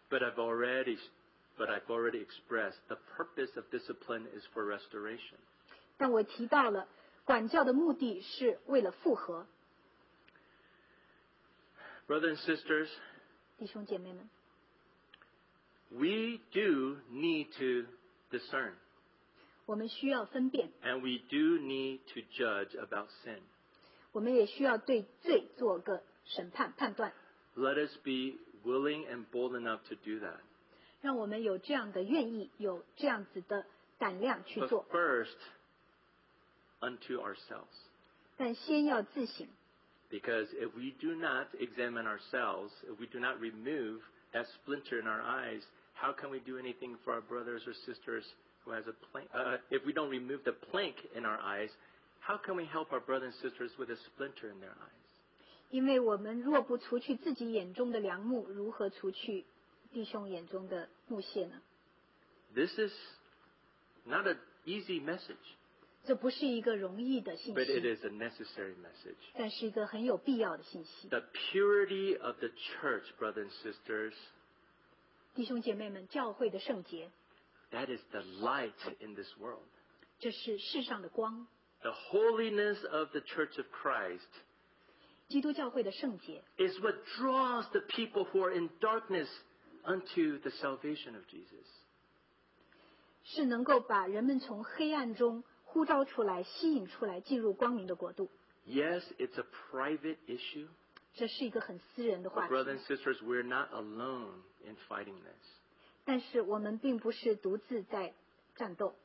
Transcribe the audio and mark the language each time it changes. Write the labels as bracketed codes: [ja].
[en] But I've already expressed the purpose of discipline is for restoration. [zh] 但我提到了管教的目的是为了复合。 [en] Brothers and sisters, [zh] 弟兄姐妹们, [en] we do need to discern. [zh] 我们需要分辨, [en] and we do need to judge about sin. [zh] 我们也需要对罪做个审判判断。 [en] Let us be willing and bold enough to do that. [zh] 让我们有这样的愿意, 有这样子的胆量去做。 [en] But first, unto ourselves. [zh] 但先要自省。 [en] Because if we do not examine ourselves, if we do not remove that splinter in our eyes, how can we do anything for our brothers or sisters who has a plank? If we don't remove the plank in our eyes, how can we help our brothers and sisters with a splinter in their eyes? [zh] 因为我们若不除去自己眼中的良木, 如何除去弟兄眼中的木屑呢? [en] This is not an easy message. [zh] 这不是一个容易的信息, [en] but it is a necessary message. [zh] 但是一个很有必要的信息。 [en] The purity of the church, brothers and sisters, [zh] 弟兄姐妹们, 教会的圣洁, [en] that is the light in this world. [zh] 这是世上的光。 [en] The holiness of the church of Christ, [zh] 基督教会的圣洁, [en] is what draws the people who are in darkness unto the salvation of Jesus. [zh] 是能够把人们从黑暗中 呼召出来,吸引出来,进入光明的国度。 [en] Yes, it's a private issue. [zh] 这是一个很私人的话题。 [en] But brothers and sisters, we're not alone in fighting this. [zh] 但是我们并不是独自在战斗。